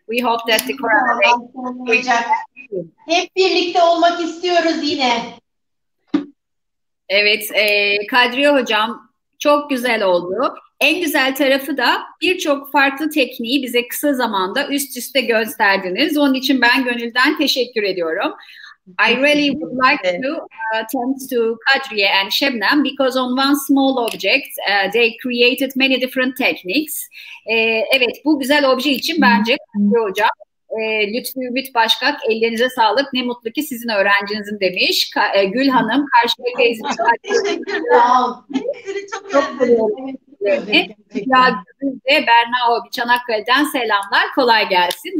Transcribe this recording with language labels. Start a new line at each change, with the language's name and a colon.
English: We hope that the coronavirus...
Turkish: Hep birlikte olmak istiyoruz yine. Evet, Kadriye Hocam, çok güzel oldu. En güzel tarafı da birçok farklı tekniği bize kısa zamanda üst üste gösterdiniz. Onun için ben gönülden teşekkür ediyorum.
English: I really would like to attend to Kadriye and Şebnem because on one small object they created many different techniques.
Turkish: Evet, bu güzel obje için bence Kadriye Hocam, Lütfü Ümit Başkak, ellerinize sağlık. Ne mutlu ki sizin öğrencinizin demiş. Gül Hanım, karşıya teyze. Teşekkür ederim. Seni çok özledim. Ya de Berna abi Çanakkale'den selamlar, kolay gelsin.